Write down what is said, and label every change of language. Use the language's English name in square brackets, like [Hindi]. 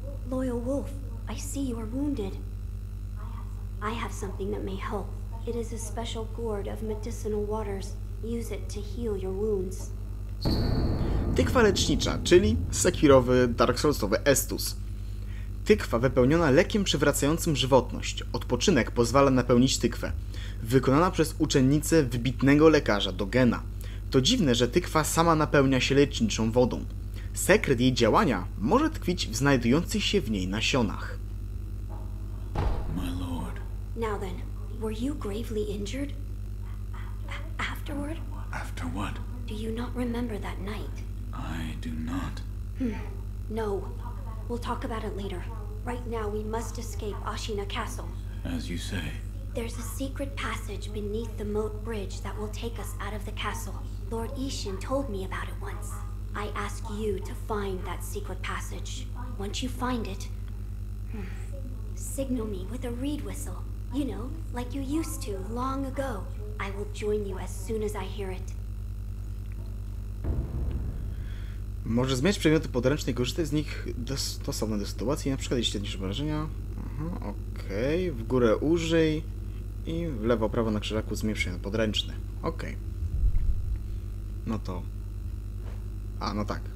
[English] Loyal Wolf, I see you are wounded. I have something that may help. It is a special gourd of medicinal waters. Use it to heal your wounds. [Polish] Tykwa lecznicza, czyli sekirowy Dark Soulsowy Estus. Tykwa wypełniona lekiem przywracającym żywotność. Odpoczynek pozwala napełnić tykwę. Wykonana przez uczennicę wybitnego lekarza Dogena. To dziwne, że tykwa sama napełnia się leczniczą wodą. Sekret jej działania może tkwić w znajdujących się w niej nasionach. [English] My lord. Now then, were you gravely injured? Afterward? After what? Do you not remember that night? I do not. No. We'll talk about it later. Right now we must escape Ashina Castle. As you say. There's a secret passage beneath the moat bridge that will take us out of the castle. Lord Ishin told me about it once. I ask you to find that secret passage. Once you find it, signal me with a reed whistle. You know, like you used to long ago. I will join you as soon as I hear it. [Polish] Może zmieniać przedmioty podręczne i korzystać z nich dostosowane do sytuacji, na przykład jeśli nie masz wrażenia. Aha, okej. Okay. W górę użyj. I w lewo, prawo na krzyżaku zmieniać przedmioty podręczne. Okej. Okay. No to... A, no tak.